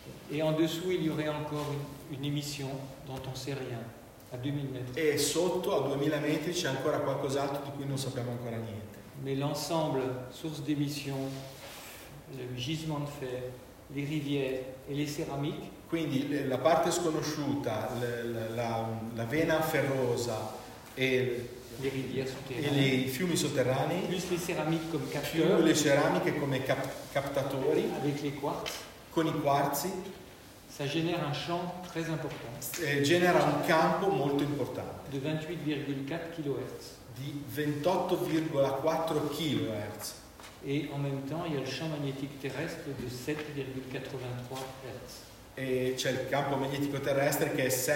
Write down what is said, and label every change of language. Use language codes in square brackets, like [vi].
[fr] Et en dessous, il y aurait encore une émission dont on sait rien, à 2000 mètres. [it] E sotto a 2000 metri c'è ancora qualcos'altro di cui non sappiamo ancora niente. [fr] Mais l'ensemble source d'émission, le gisement de fer, les rivières et les céramiques. [it] Quindi la parte sconosciuta, la vena ferrosa e i fiumi sotterranei, [fr] plus les céramiques comme capteurs, [it] più le ceramiche come captatori, [fr] avec les quartz, [it] con i quarzi, [fr] ça génère un champ très important. [it] Genera un campo molto importante. [fr] De 28,4 kHz. [it] Di 28,4 kHz. [fr] Et en même temps, il y a le champ magnétique terrestre de 7,83 Hz. [it] E c'è il campo magnetico terrestre che è